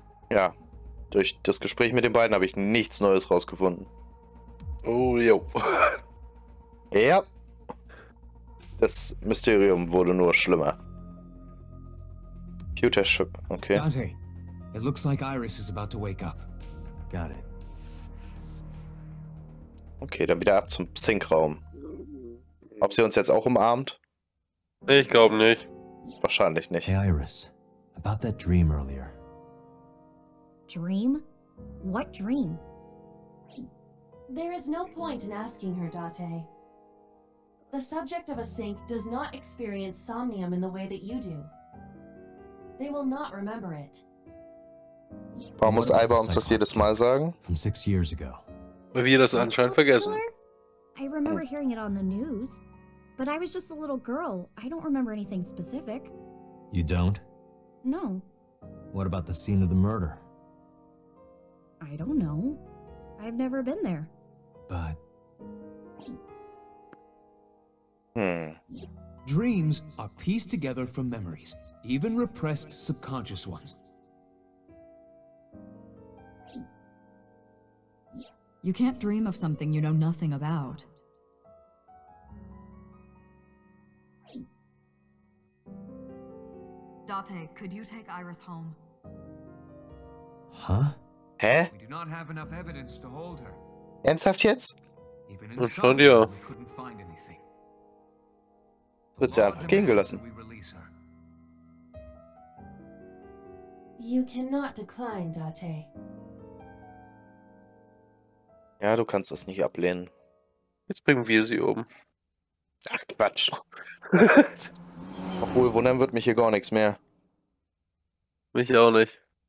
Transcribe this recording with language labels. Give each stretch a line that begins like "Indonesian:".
German: Ja, durch das Gespräch mit den beiden habe ich nichts Neues rausgefunden. Oh, jo. Ja. Das Mysterium wurde nur schlimmer.
English: Pewter shook. Okay. Dante, it looks like Iris is about to wake up. Got it.
German: Okay, dann wieder ab zum Sinkraum. Ob sie uns jetzt auch umarmt? Ich glaube nicht. Wahrscheinlich nicht.
English: Hey Iris, about that dream earlier. Dream? What dream? There is no point in asking her, Date. The subject of a sync does not experience somnium in the way that you do. They will not remember it.
German: Warum muss Iva uns das jedes Mal sagen?
English: From 6 years ago.
German: Weil wir das anscheinend vergessen.
English: I remember hearing it on the news. But I was just a little girl. I don't remember anything specific. You don't? No. What about the scene of the murder? I don't know. I've never been there. But... Dreams are pieced together from memories, even repressed subconscious ones. You can't dream of something you know nothing about. Date, could you take Iris home? Huh? Hä? We do not have enough evidence to hold her.
German: Ernsthaft jetzt?
English: Even in Somnium,
German: ja.
English: We couldn't find anything.
German: Jetzt wird sie einfach gehen gelassen.
English: You cannot decline, Date.
German: Ja, du kannst das nicht ablehnen. Jetzt bringen wir sie oben. Ach, Quatsch. Obwohl, wundern wird mich hier gar nichts mehr. Mich auch nicht.